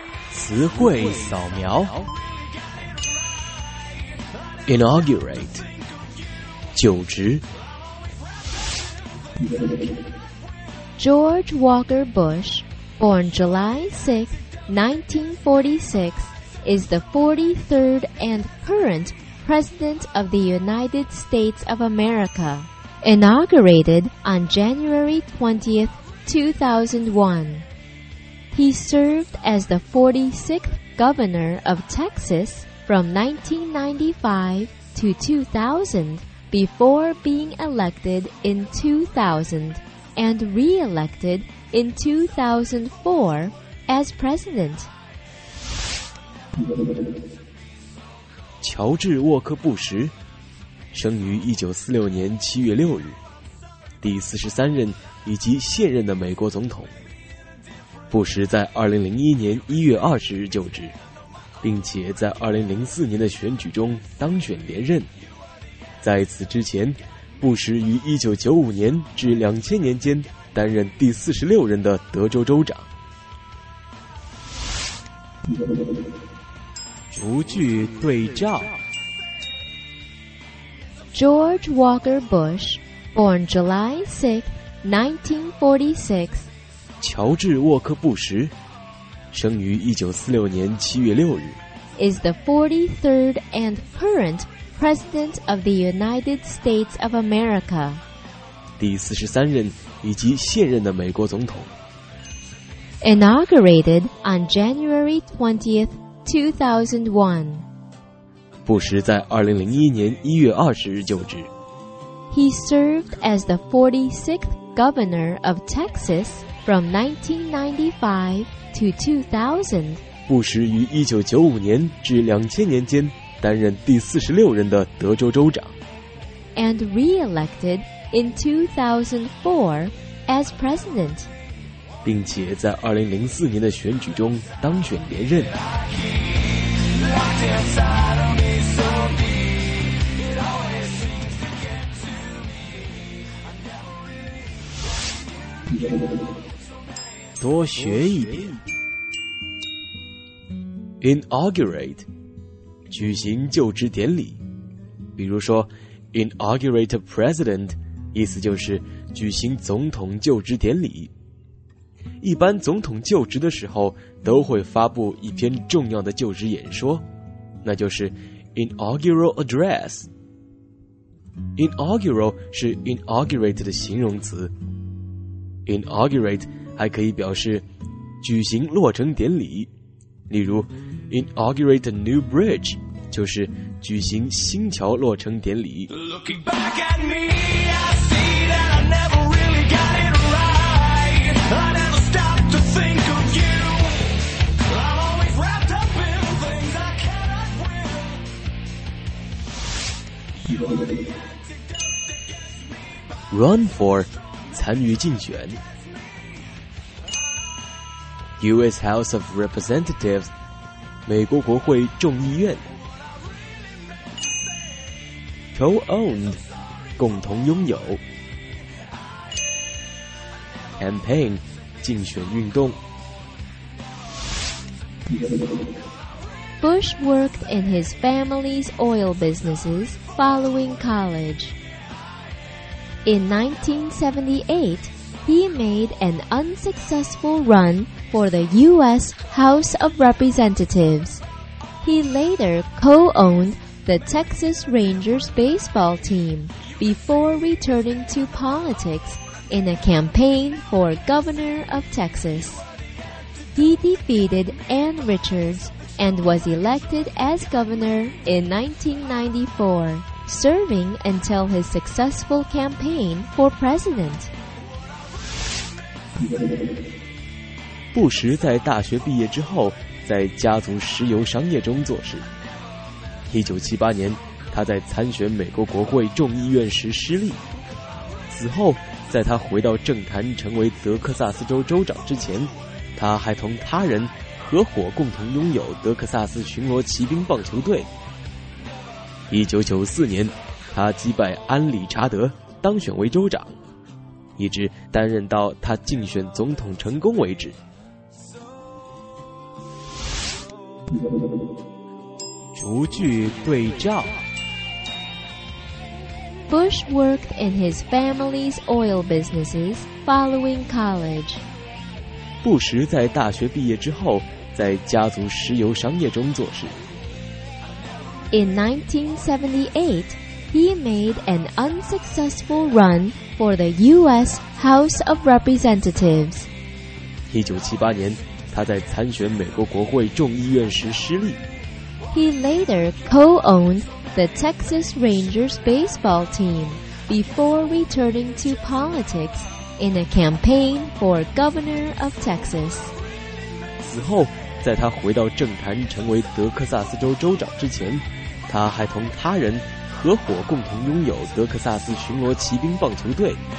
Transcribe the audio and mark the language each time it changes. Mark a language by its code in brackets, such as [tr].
[zh] 词汇扫描 Inaugurate 就职 [en] George Walker Bush, born July 6, 1946, is the 43rd and current President of the United States of America, inaugurated on January 20, 2001. He served as the 46th governor of Texas from 1995 to 2000 before being elected in 2000 and re-elected in 2004 as president. [zh] 乔治·沃克·布什生于1946年7月6日，第43任以及现任的美国总统。布什在2001年1月20日就职，并且在2004年的选举中当选连任。在此之前，布什于1995年至2000年间担任第46任的德州州长。逐句对照 [en] George Walker Bush, born July 6, 1946 [zh] 乔治·沃克·布什生于1946年7月6日 [en] is the 43rd and current President of the United States of America [zh] 第43任以及现任的美国总统 [en] inaugurated on January 20th, 2001 [zh] 布什在2001年1月20日就职 [en] He served as the 46th Governor of TexasFrom 1995 to 2000, [zh] 布什于1995年至2000年间担任第46任的德州州长 [en] and re-elected in 2004 as president, [zh] 并且在2004年的选举中当选连任。多学一点 Inaugurate 举行就职典礼，比如说 [en] Inaugurate President [zh] 意思就是举行总统就职典礼。一般总统就职的时候都会发布一篇重要的就职演说，那就是 [en] Inaugural Address。 [zh] Inaugural 是 Inaugurate 的形容词， Inaugurate还可以表示举行落成典礼，例如 [en] Inaugurate a new bridge [zh] 就是举行新桥落成典礼。 [en] Looking back at me, I see that I never really got it right. I never stopped to think of you. I'm always wrapped up in things I cannot win. Run for [zh] 参与竞选。 [en] U.S. House of Representatives [zh] 美国国会众议院 Co-owned 共同拥有 Campaign 竞选运动 [en] Bush worked in his family's oil businesses following college. In 1978,He made an unsuccessful run for the U.S. House of Representatives. He later co-owned the Texas Rangers baseball team before returning to politics in a campaign for governor of Texas. He defeated Ann Richards and was elected as governor in 1994, serving until his successful campaign for president. [zh] 布什在大学毕业之后在家族石油商业中做事。 1978年他在参选美国国会众议院时失利，此后在他回到政坛成为德克萨斯州州长之前，他还同他人合伙共同拥有德克萨斯巡逻骑兵棒球队。 1994年他击败安理查德当选为州长，一直担任到他竞选总统成功为止。逐句对照。 [en] Bush worked in his family's oil businesses following college. [zh] 布什在大学毕业之后在家族石油商业中做事。 [en] In 1978, he made an unsuccessful run for the U.S. House of Representatives. [zh] 1978年他在参选美国国会众议院时失利。 [en] He later co-owned the Texas Rangers baseball team before returning to politics in a campaign for governor of Texas. [zh] 此后，在他回到政坛成为德克萨斯州州长之前，他还同他人合伙共同拥有德克萨斯巡逻骑兵棒球队。